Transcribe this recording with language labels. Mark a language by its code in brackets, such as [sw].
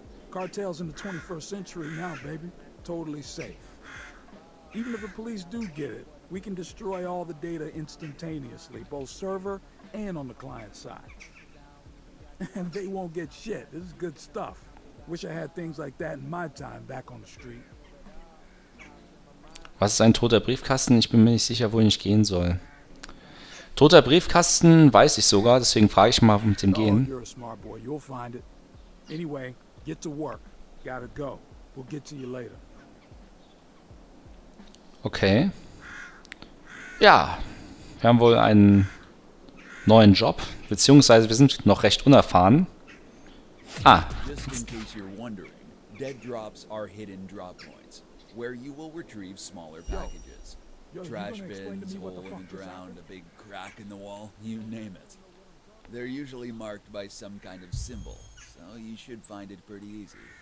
[en] Cartels in the 21st century now, baby. Totally safe. Even if the police do get it, we can destroy all the data instantaneously, both server and on the client side. And they won't get shit. This is good stuff. Wish I had things like that in my time back on the street. [de] Was ist ein toter Briefkasten? Ich bin mir nicht sicher, wohin ich gehen soll. Toter Briefkasten weiß ich sogar, deswegen frage ich mal mit dem Gehen. [en] Oh, you're a smart boy. You'll find it. Anyway, get to work. Gotta go. We'll get to you later. [de] Okay. Ja, wir haben wohl einen neuen Job, beziehungsweise wir sind noch recht unerfahren. Ah. [en] Just in case you're wondering, dead drops are hidden drop points, where you will retrieve smaller packages. Yo, trash bins, hole in the ground, a big crack in the wall, you name it. They're usually marked by some kind of symbol, so you should find it pretty easy.